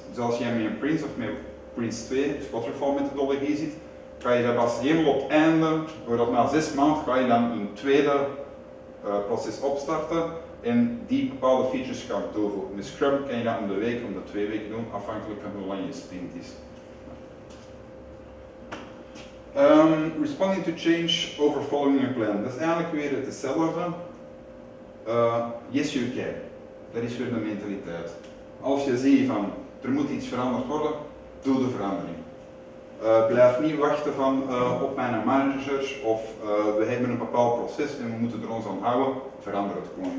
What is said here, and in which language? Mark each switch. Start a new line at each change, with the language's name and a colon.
Dutch: Dus als jij met een Prince of met Prince 2, dus waterfall methodologie ziet, ga je dat pas helemaal op het einde, voordat na 6 maanden ga je dan een tweede proces opstarten en die bepaalde features gaan toevoegen. Met Scrum kan je dat om de week, om de 2 weken doen, afhankelijk van hoe lang je sprint is.
English: Responding to change over following a plan.
Dutch: Dat is eigenlijk weer hetzelfde.
English: Yes, you can.
Dutch: Dat is weer de mentaliteit. Als je ziet van, er moet iets veranderd worden, doe de verandering. Blijf niet wachten van, op mijn managers of we hebben een bepaald proces en we moeten er ons aan houden. Verander het gewoon.